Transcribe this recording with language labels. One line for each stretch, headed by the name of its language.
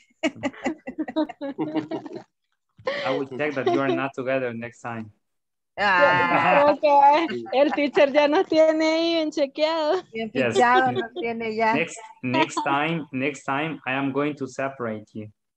English: I will check that you are not together next time. Ah. Okay.
Spanish: El teacher ya nos tiene ahí bien chequeado. Bien fichado, yes. Nos tiene ya.
English: Next time I am going to separate you.